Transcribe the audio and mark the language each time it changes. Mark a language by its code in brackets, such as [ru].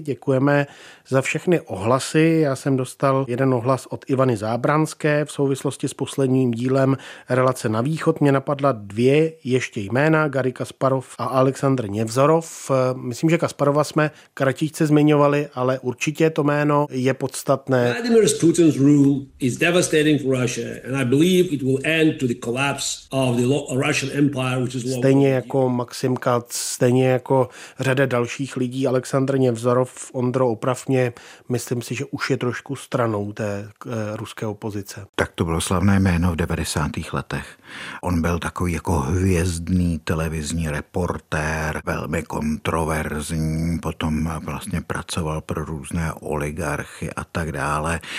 [cs] Děkujeme za všechny ohlasy. Já jsem dostal jeden ohlas od Ivany Zábranské v souvislosti s posledním dílem relace Na východ. Mě napadla dvě ještě jména, Garry Kasparov a Alexandr Nevzorov. Myslím, že Kasparova jsme kratičce zmiňovali, ale určitě to jméno je podstatné. [en] Vladimir Putin's rule is devastating for Russia. And I believe it will end to the collapse of the Russian Empire, which is [cs] stejně jako Maxim Katz, stejně jako řada dalších lidí, Alexandr Nevzorov, Ondro, opravně, myslím si, že už je trošku stranou té ruské opozice. Tak to bylo slavné jméno v 90. letech. On byl takový jako hvězdný televizní reportér, velmi kontroverzní, potom vlastně pracoval pro různé oligarchy a tak dále.